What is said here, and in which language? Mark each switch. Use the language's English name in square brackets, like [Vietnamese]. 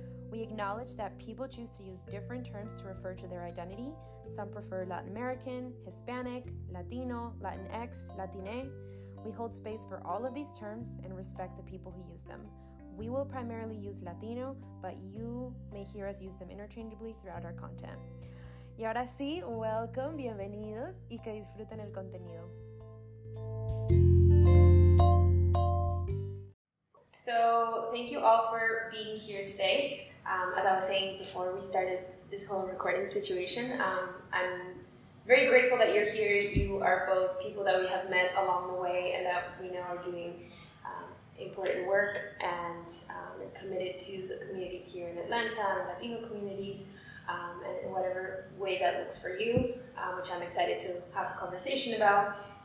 [English] We acknowledge that people choose to use different terms to refer to their identity. Some prefer Latin American, Hispanic, Latino, Latinx, Latine. We hold space for all of these terms and respect the people who use them. We will primarily use Latino, but you may hear us use them interchangeably throughout our content. [Spanish] Y ahora sí, welcome, bienvenidos, y que disfruten el contenido. [English] So, thank you all for being here today. As I was saying before we started this whole recording situation, I'm very grateful that you're here. You are both people that we have met along the way and that we now are doing important work and committed to the communities here in Atlanta and Latino communities and in whatever way that looks for you, which I'm excited to have a conversation about.